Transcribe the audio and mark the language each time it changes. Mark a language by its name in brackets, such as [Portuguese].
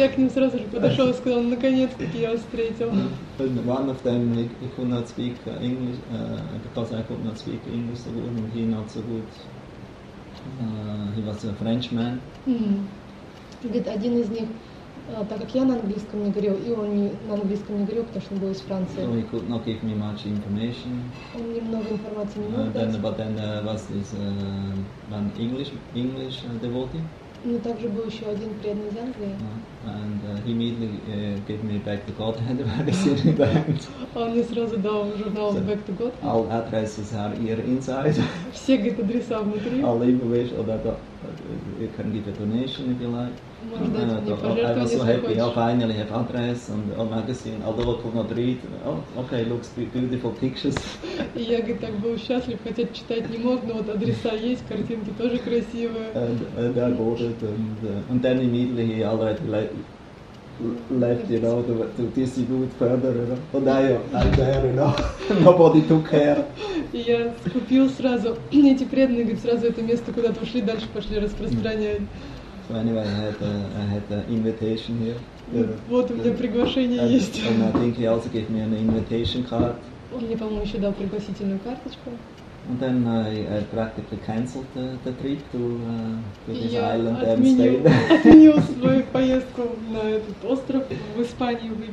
[Russian] Я к ним сразу же подошел и сказал, наконец-таки я вас встретил. [English] One of them, he could not speak English, because I could not speak English so good, and he not so good. He was a Frenchman. [Russian] Говорит, один из них, так как я на английском не говорил, и он на английском не говорил, потому что он был из Франции. [English] So he could not give me much information. [Russian] Он мне много информации не мог дать. [English] But then was this one English devotee. [Russian] Но также был еще один преданный из Англии. [English] And he immediately gave me back the Godhead magazine. [Russian] Он мне сразу дал журнал Back to God. [English] All addresses are here inside. [Russian] Все, говорит, адреса внутри. [English] All information that you can give a donation if you like. I was so happy. I finally have address and a magazine. Although I could not read, okay, looks beautiful pictures. [Russian] И я говорит, так был счастлив, хотя читать не мог, но вот адреса есть, картинки тоже красивые. [English] And I bought it, and then immediately he already left, you know, to this good further, you know. Oh, I am there, you know. Nobody took care. [Russian] И я купил сразу эти преданные, говорит, сразу это место куда-то ушли, дальше пошли распространять. [English] So anyway, I had an invitation here. [Russian] Вот у меня приглашение есть. [English] And I think he also gave me an invitation card. [Russian] Он мне, по-моему, еще дал пригласительную карточку. [English] And then I practically cancelled the trip to this island and stayed. [Russian] Я отменил свою поездку на этот остров в Испанию.